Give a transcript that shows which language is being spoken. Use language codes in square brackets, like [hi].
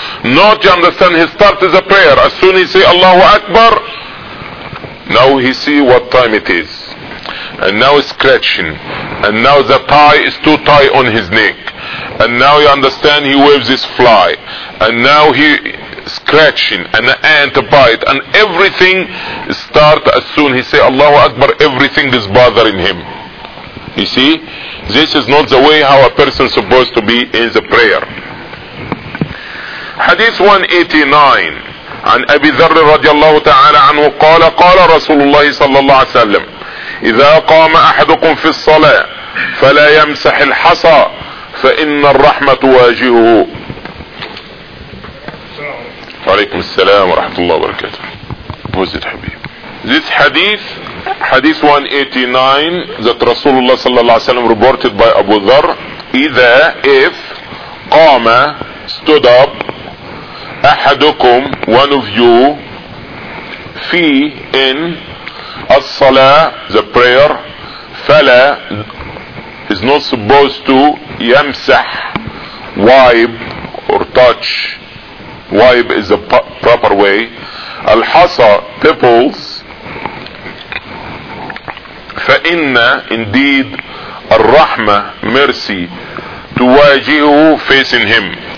[en] Not, you understand, he started the prayer, as soon as he say Allahu Akbar, now he see what time it is, and now it's scratching, and now the tie is too tight on his neck, and now you understand he waves his fly, and now he scratching, and the ant bite, and everything start as soon he say Allahu Akbar, everything is bothering him. You see, this is not the way how a person is supposed to be in the prayer. Hadith 189 [ar] عن أبي ذر رضي الله تعالى عنه قال قال رسول الله صلى الله عليه وسلم إذا قام أحدكم في الصلاة فلا يمسح الحصى فإن الرحمة واجهه. وعليكم السلام ورحمة الله وبركاته. وزيد حبيب. [en] This hadith 189 that Rasulullah sallallahu alaihi wasallam reported by Abu Dharr, if qama stood up ahadukum, one of you, fi in as-salah, the prayer, fala is not supposed to yamsah, wipe or touch, wipe is the proper way, al-hasa, pebbles, [ar] فَإِنَّ [en] indeed [ar] الرَّحْمَة [en] mercy [ar] تُوَاجِهُ [en] facing him.